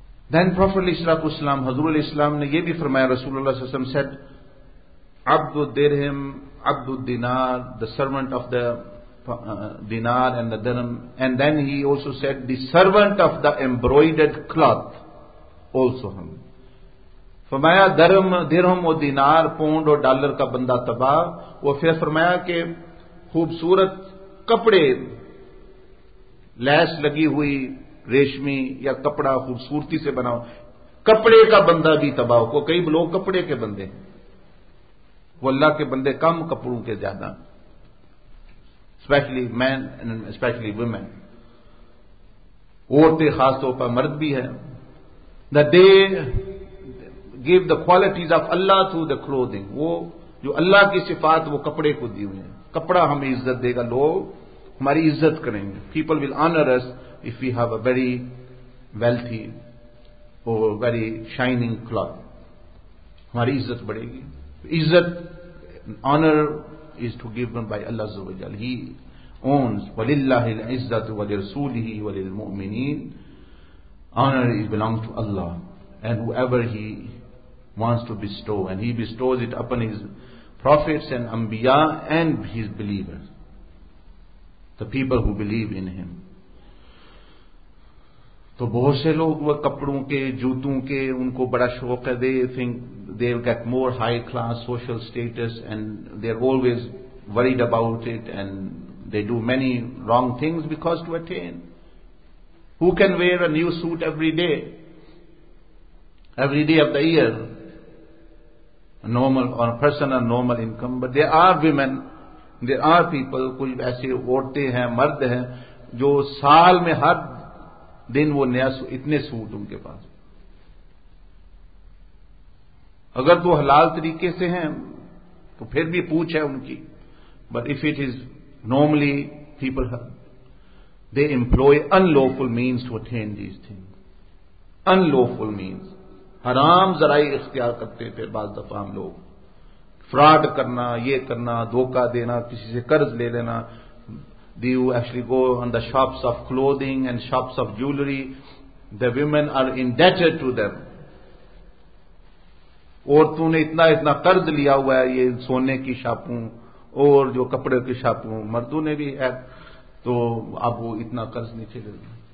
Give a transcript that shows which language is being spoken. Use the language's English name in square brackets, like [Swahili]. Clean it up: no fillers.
[English] Then Prophet علیہ السلام, [Urdu] حضور علیہ السلام نے یہ بھی فرمایا, [English] رسول اللہ صلی اللہ علیہ وسلم said, [Arabic] عبد الدرہم عبد الدینار, [English] the servant of the dinar and the dirham. And then he also said, the servant of the embroidered cloth also. [Urdu] ہم فرمایا درہم و دینار, پونڈ اور ڈالر کا بندہ تباہ. وہ پھر فرمایا کہ خوبصورت کپڑے, لیس لگی ہوئی ریشمی یا کپڑا خوبصورتی سے بناؤ, کپڑے کا بندہ بھی تباہ ہو. کئی لوگ کپڑے کے بندے ہیں, وہ اللہ کے بندے کم کپڑوں کے زیادہ, [English] specially men specially women, [Urdu] عورتیں خاص طور پر, مرد بھی ہیں. [English] They give the qualities of Allah through the clothing. [Urdu] وہ جو اللہ کی صفات وہ کپڑے کو دی ہوئے ہیں, کپڑا ہمیں عزت دے گا, لوگ ہماری عزت کریں گے. [English] People will honor us if we have a very wealthy or very shining cloth. [Urdu] ہماری عزت بڑھے گی. [English] عزت honor is to given by Allah عز و جل. He owns [Arabic] وَلِلَّهِ الْعِزَّةُ وَلِرْسُولِهِ وَلِلْمُؤْمِنِينَ. [English] Honor is belong to Allah and whoever He wants to bestow, and He bestows it upon His prophets and anbiya and His believers, the people who believe in Him. [Urdu] تو بہت سے لوگ وہ کپڑوں کے, جوتوں کے, ان کو بڑا شوق ہے. [English] They think they will get more high class social status and they are always worried about it and they do many wrong things because to attain. Who can wear a new suit every day of the year? A normal or a person on normal income. But there are women, there are people, [Urdu] کچھ ایسے عورتیں ہیں, مرد ہیں, جو سال میں ہر دن وہ نیا اتنے سوٹ ان کے پاس. اگر تو حلال طریقے سے ہیں تو پھر بھی پوچھ ہے ان کی. [English] But if it is normally people they employ unlawful means to attain these things, unlawful means, [Urdu] حرام ذرائع اختیار کرتے ہیں. پھر بعض دفعہ ہم لوگ فراڈ کرنا, یہ کرنا, دھوکہ دینا, کسی سے قرض لے لینا. [English] Do you actually go on the shops of clothing and shops of jewelry? The women are indebted to them. [Urdu] عورتوں نے اتنا قرض لیا ہوا ہے یہ سونے کی شاپوں اور جو کپڑے کی شاپوں, مردوں نے بھی ہے, تو اب وہ اتنا قرض نہیں چلے گا.